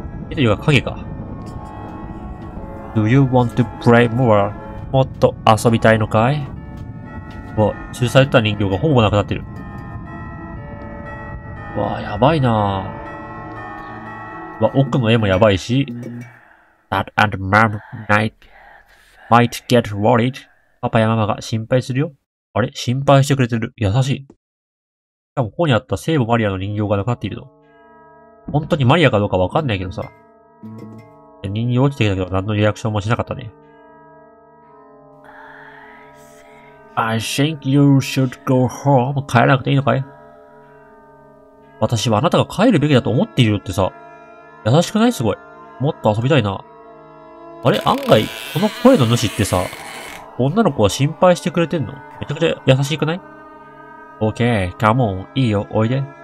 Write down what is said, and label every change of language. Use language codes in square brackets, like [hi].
[ja] 絵というか影か。 [en] Do you want to play more? [ja] もっと遊びたいのかい？わ、吊るされた人形がほぼなくなってる。わあ、やばいなあ。わ、奥の絵もやばいし。 [en] Dad and Mom might get worried. [ja] パパやママが心配するよ。あれ？心配してくれてる。優しい。しかもここにあった聖母マリアの人形がなくなっているぞ。本当にマリアかどうかわかんないけどさ。人形落ちてきたけど何のリアクションもしなかったね。 [en] I think you should go home. [ja] 帰らなくていいのかい？私はあなたが帰るべきだと思っているよってさ。優しくない？すごい。もっと遊びたいな。あれ？案外、この声の主ってさ。女の子は心配してくれてんの？めちゃくちゃ優しくない？ [en] OK, come on, [ja] いいよ、おいで。